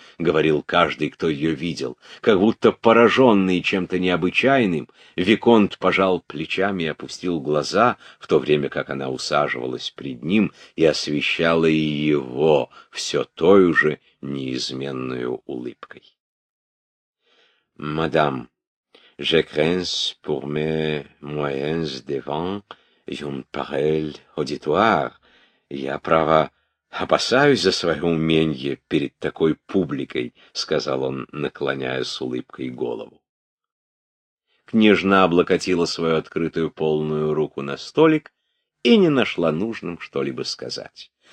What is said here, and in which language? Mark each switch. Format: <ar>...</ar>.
<ru>— говорил каждый, кто ее видел. Как будто пораженный чем-то необычайным, виконт пожал плечами и опустил глаза, в то время как она усаживалась пред ним и освещала его все той же неизменной улыбкой.</ru> <fr>«Мадам, je crains pour mes moyens devant une pareille auditoire.</fr> <ru>Я права, опасаюсь за свое уменье перед такой публикой», — сказал он, наклоняя с улыбкой голову. Княжна облокотила свою открытую полную руку на столик и не нашла нужным что-либо сказать.</ru>